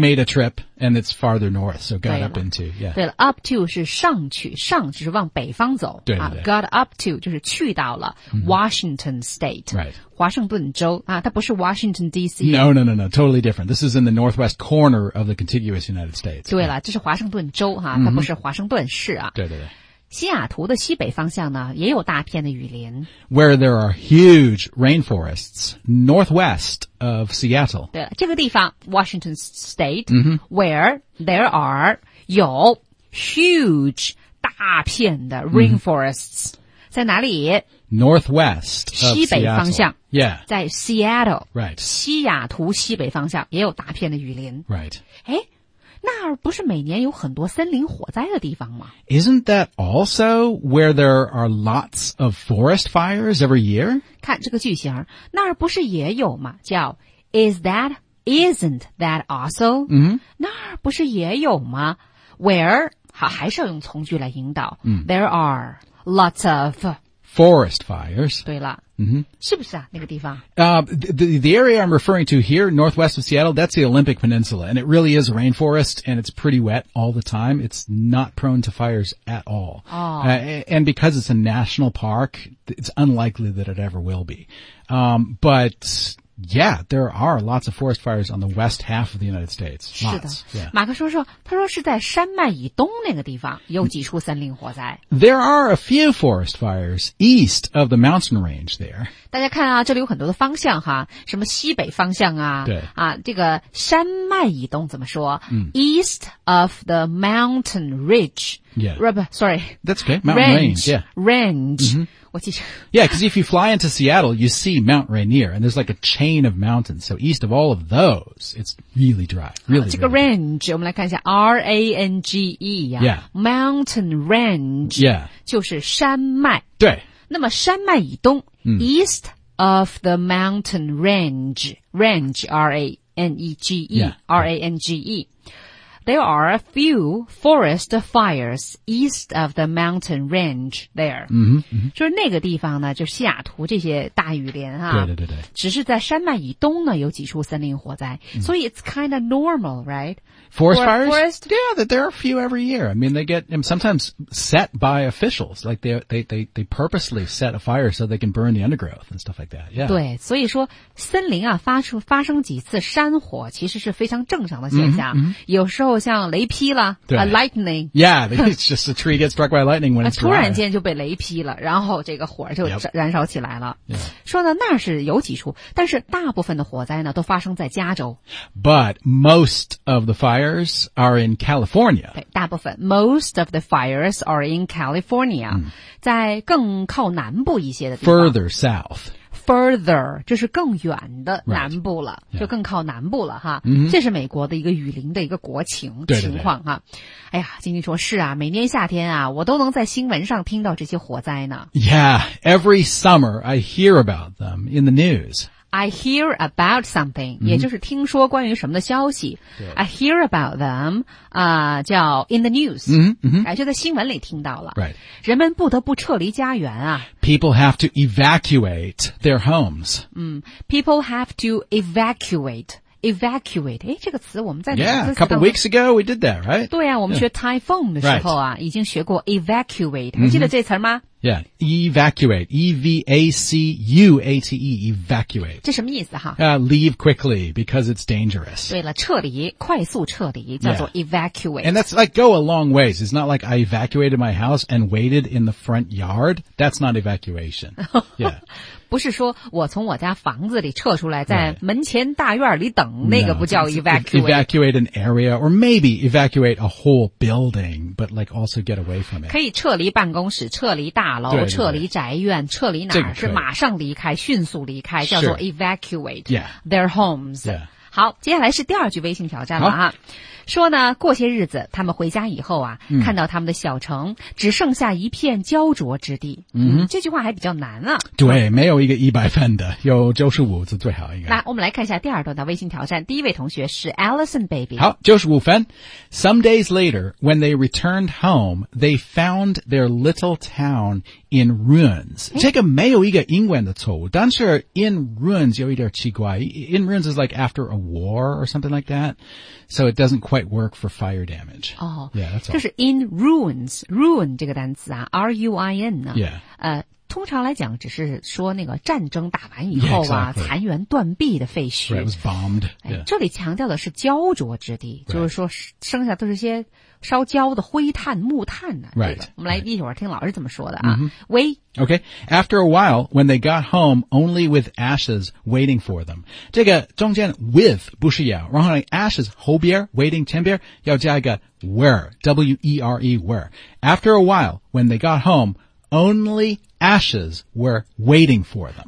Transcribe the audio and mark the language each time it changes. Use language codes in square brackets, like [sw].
[en] Made a trip, and it's farther north, so got up into, yeah. [zh] 对了 , up to 是上去，上就是往北方走。对对对。啊、 [en] got up to [zh] 就是去到了 Washington State.、 [en] Mm-hmm. Right. [zh] 华盛顿州啊，它不是 Washington D.C. [en] No, totally different. This is in the northwest corner of the contiguous United States. [zh] 对了，这是华盛顿州哈、啊，它不是华盛顿市啊。 Mm-hmm. 对对对。西雅图的西北方向呢，也有大片的雨林。 [en] Where there are huge rainforests northwest of Seattle. [zh] 对了，这个地方 Washington State,、 mm-hmm. [en] where there are [zh] 有 [en] huge [zh] 大片的 [en] rainforests、mm-hmm. [zh] 在哪里？ [en] Northwest of [zh] 西北方向 [en] Seattle. Yeah. [zh] 在 Seattle. [en] Right. [zh] 西雅图西北方向也有大片的雨林。 [en] Right. [zh] 诶，那儿不是每年有很多森林火灾的地方吗？ [en] Isn't that also where there are lots of forest fires every year? [zh] 看这个句型，那儿不是也有吗？叫 [en] Is that, isn't that also?、 Mm-hmm. [zh] 那儿不是也有吗？ [en] Where, [zh] 好，还是要用从句来引导。 Mm. [en] There are lots of... Forest fires. [zh] 对了、 mm-hmm. 是不是啊那个地方、 [en] the area I'm referring to here, northwest of Seattle, that's the Olympic Peninsula, and it really is a rainforest, and it's pretty wet all the time. It's not prone to fires at all.、 Oh. And because it's a national park, it's unlikely that it ever will be.、but... Yeah, there are lots of forest fires on the west half of the United States. Lots. [zh] 是的、 [en] yeah. [zh] 马克说说他说是在山脉以东那个地方有几处森林火灾。 [en] There are a few forest fires east of the mountain range there. [zh] 大家看啊这里有很多的方向哈什么西北方向啊对啊这个山脉以东怎么说、嗯、 [en] east of the mountain ridge. Yeah. Sorry. That's okay. Mountain range. Yeah. Range.、 Mm-hmm. [zh] 我记着 [en] yeah, because if you fly into Seattle, you see Mount Rainier, and there's like a chain of mountains. So east of all of those, it's really dry. Really, [zh] 这个 range, 我们来看一下 ,R-A-N-G-E 呀、啊。 [en] Yeah. Mountain range. Yeah. [zh] 就是山脉。对。那么山脉以东、嗯、 [en] ,east of the mountain range, range, R-A-N-E-G-E,、 yeah. R-A-N-G-E. There are a few forest fires east of the mountain range there. 嗯、mm-hmm. [zh] 就是那个地方呢就西雅图这些大雨林啊。对对对对。只是在山脉以东呢有几处森林火灾。 Mm-hmm. 所以 [en] it's kind of normal, right? Forest fires? Forest? Yeah, that there are a few every year. I mean, they get sometimes set by officials. Like they purposely set a fire so they can burn the undergrowth and stuff like that. Yeah. [zh] 对，所以说森林啊发生几次山火其实是非常正常的现象。 Mm-hmm, mm-hmm. 有时候像雷劈了，对 [en] lightning. Yeah, it's just a tree gets struck by lightning when it's dry. [zh] 突然间就被雷劈了，然后这个火就燃烧起来了。 [en] Yep. Yeah. [zh] 说呢，那是有几处，但是大部分的火灾呢都发生在加州。 [en] But most of the fires are in California. [zh] 对，大部分 [en] most of the fires are in California,、 mm. [zh] 在更靠南部一些的地方。 [en] Further south. [zh] Further, 这是更远的南部了、 [en] right. yeah. [zh] 就更靠南部了哈。 Mm-hmm. 这是美国的一个雨林的一个国情对对对情况哈。哎呀晶晶说是啊每年夏天啊我都能在新闻上听到这些火灾呢。 [en] Yeah, every summer I hear about them in the news. I hear about something,、 mm-hmm. [zh] 也就是听说关于什么的消息。 [en] Yeah. I hear about them,、 [zh] 叫 [en] in the news,、 mm-hmm. [zh] 就在新闻里听到了。 [en] Right. [zh] 人们不得不撤离家园啊。 [en] People have to evacuate their homes.、 Mm, people have to evacuate. Evacuate, [zh] 诶这个词我们在哪次 [en] Yeah, a couple weeks ago we did that, right? [zh] 对啊我们学 typhoon 的时候啊、 [en] right. [zh] 已经学过 evacuate, 还记得这词吗、 [en] mm-hmm. Yeah, evacuate, E-V-A-C-U-A-T-E, evacuate. [zh] 这什么意思哈、 [en] leave quickly because it's dangerous. [zh] 对了撤离快速撤离叫做 evacuate.、 [en] Yeah. And that's like go a long ways. It's not like I evacuated my house and waited in the front yard. That's not evacuation. Yeah. [zh] 不是说我从我家房子里撤出来在门前大院里等、 [en] right. [zh] 那个不叫 evacuate. [en] No, evacuate an area or maybe evacuate a whole building but like also get away from it. [zh] 可以撤离办公室撤离大楼对对对撤离宅院撤离哪儿是马上离开迅速离开叫做 evacuate、 [en] yeah. their homes.、 Yeah. [zh] 好接下来是第二句微信挑战了啊。说呢过些日子他们回家以后啊、嗯、看到他们的小城只剩下一片焦灼之地。嗯这句话还比较难啊。对没有一个100分的有95字最好应该。来我们来看一下第二段的微信挑战第一位同学是 Allison Baby。好 ,95 分。 [en] Some days later, when they returned home, they found their little town in ruins. [zh] 这个没有一个英文的错误但是 in ruins 有一点奇怪。 [en] In ruins is like after a war or something like that. So it doesn't quite work for fire damage. Oh, yeah, that's all. [zh] 就是 in ruins, ruin 这个单词啊 ,R-U-I-N 呢、啊、 [en] yeah. [zh] 通常来讲只是说那个战争打完以后啊 [en] yeah,、exactly. [zh] 残垣断壁的废墟。 [en] Right, it was bombed.、Yeah. [zh] 哎、这里强调的是焦灼之地、 [en] right. [zh] 就是说剩下都是些烧焦的灰炭木炭呢、啊。 [en] Right. [zh] 这个、我们来一会儿听老师怎么说的啊。 Mm-hmm. 喂。 [en] Okay. After a while, when they got home, only with ashes waiting for them. [zh] 这个中间 with 不是要然后 ashes 后边 waiting 前边要加一个 were, W-E-R-E, were. [en] After a while, when they got home,Only ashes were waiting for them.